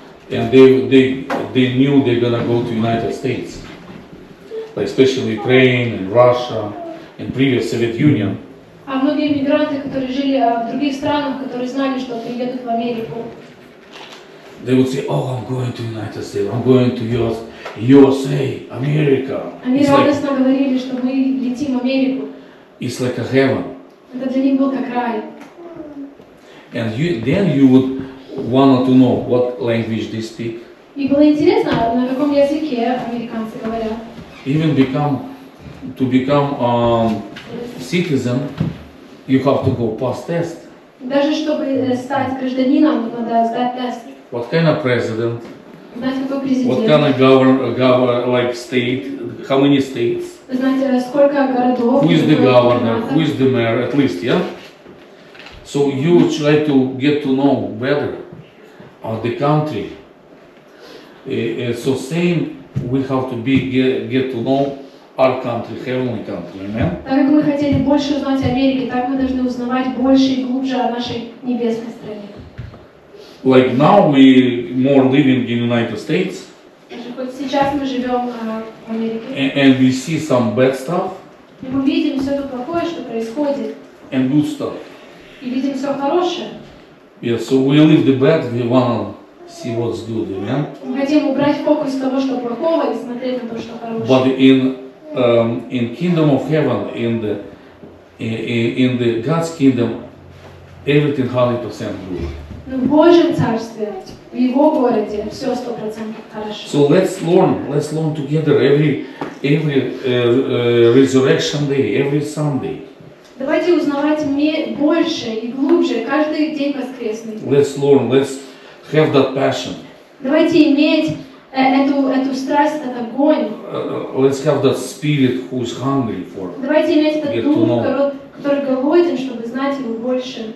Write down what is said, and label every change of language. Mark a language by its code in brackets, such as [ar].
[en] And they knew they're gonna go to United States, like especially Ukraine and Russia and previous Soviet Union. [ru] А многие мигранты, которые жили в других странах, которые знали, что приедут в Америку. [en] They would say, "Oh, I'm going to United States. I'm going to USA, America." [ru] Они радостно говорили, что мы летим в Америку. [en] It's like a heaven. [ru] Это для них был как рай. [en] And you, then you would wanted to know what language they speak. [ru] И было интересно, на каком языке американцы говорят. [en] Even become to become citizen, you have to go pass test. [ru] Даже чтобы стать гражданином, надо сдать тест. [en] What kind of president? [ru] Знать, какой президент. [en] What kind of governor, like state? How many states? [ru] Знать, сколько городов. [en] Who is the governor? Who is the mayor? At least, yeah. So you try to get to know better of the country. So same, we have to be get to know our country, heavenly country. Amen. [ru] Так как мы хотели больше узнать Америки, так мы должны узнавать больше и глубже о нашей небесной стране. [en] Like now we more living in United States. [ru] Хоть сейчас мы живем в Америке. [en] And we see some bad stuff. [ru] И мы видим все то плохое, что происходит. [en] And good stuff. [ru] И видим все хорошее. [en] Yeah, so we leave the bad, we wanna see what's good, amen? [ru] Мы хотим убрать фокус того, что плохого, и смотреть на то, что хорошее. [en] But in kingdom of heaven, in the God's kingdom, everything 100% good. [ru] Но в Божьем царстве, в Его городе, все 100% хорошо. [en] So let's learn together every resurrection day, every Sunday. [ru] Давайте узнавать больше и глубже каждый день воскресный. [en] Let's learn, let's have that passion. [ru] Давайте иметь эту страсть, этот огонь. [en] Let's have that spirit who is hungry for. [ru] Давайте иметь этот дух, который голоден, чтобы знать его больше.